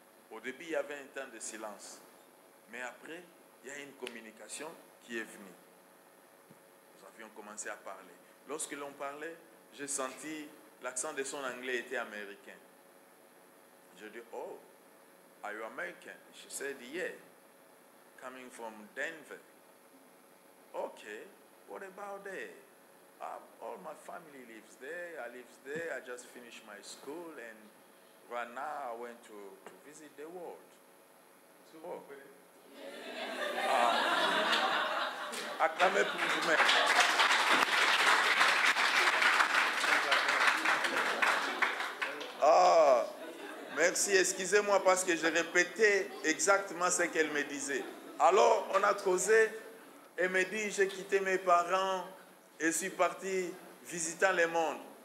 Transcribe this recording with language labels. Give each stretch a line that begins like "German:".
French: Au début, il y avait un temps de silence, mais après, il y a une communication qui est venue. Nous avions commencé à parler. Lorsque l'on parlait, j'ai senti l'accent de son anglais était américain. Je dis, oh!
English: Are you American? She said, yeah. Coming from Denver. Okay, what about there? All my family lives there. I live there. I just finished my school, and right now I went to visit the world.
French: Acclamez pour vous-même. Ah, merci. Excusez-moi parce que j'ai répété exactement ce qu'elle me disait. Alors, on a causé. Elle me dit, j'ai quitté mes parents et suis parti visitant le monde.